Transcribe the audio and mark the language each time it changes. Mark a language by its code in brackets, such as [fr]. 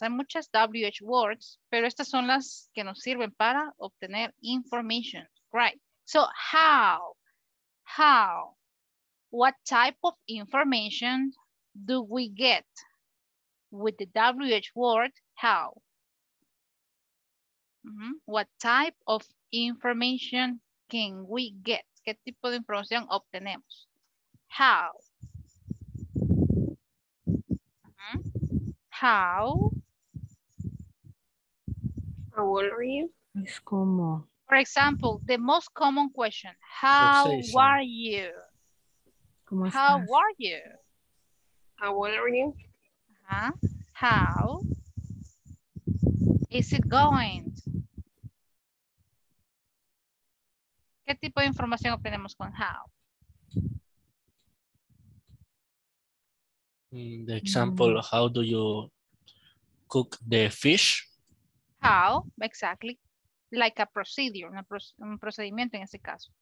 [es] Hay muchas WH words, pero estas son las que nos sirven para obtener information. [en] Right. So, how? How? What type of information do we get with the WH word how? What type of information can we get? [es] ¿Qué tipo de información obtenemos? How? [en] How? How old are you? [es] Es como. [en] For example, the most common question, how are you? [es] ¿Cómo estás? [en] How are you? How old are you? Uh-huh. How is it going? [es] ¿Qué tipo de información obtenemos con how? [en] The example, how do you cook the fish? How, exactly. Like a procedure, [es] un procedimiento en este caso.